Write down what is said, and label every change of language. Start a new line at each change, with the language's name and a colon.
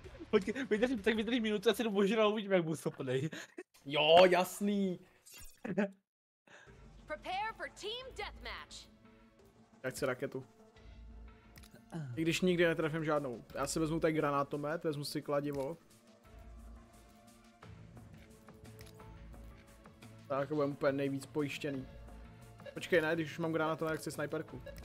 Czech: Tak vydrž minutu, já si jdu a uvidím, jak budu schopný. Jo, jasný.
English: Prepare for team deathmatch.
Czech: Já chci raketu. I když nikdy netrefím žádnou. Já si vezmu tady granátomet, vezmu si kladivo. Tak, budem úplně nejvíc pojištěný. Počkej, ne, když už mám granátomet, tak chci snajperku.